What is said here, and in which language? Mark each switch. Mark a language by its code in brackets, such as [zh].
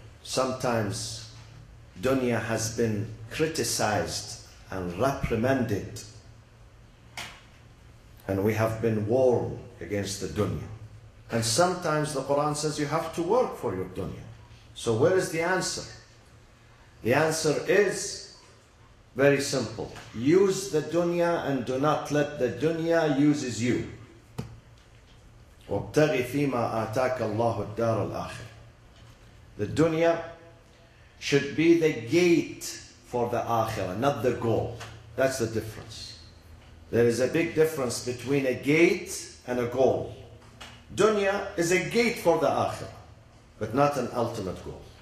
[en] Sometimes dunya has been criticized and reprimanded, and we have been warned against the dunya. And sometimes the Quran says you have to work for your dunya. So where is the answer? The answer is very simple. Use the dunya and do not let the dunya use you. [ar] وابتغي فيما آتاك الله الدار الآخر. [en] The dunya should be the gate for the akhirah, not the goal. That's the difference. There is a big difference between a gate and a goal. Dunya is a gate for the akhirah, but not an ultimate goal.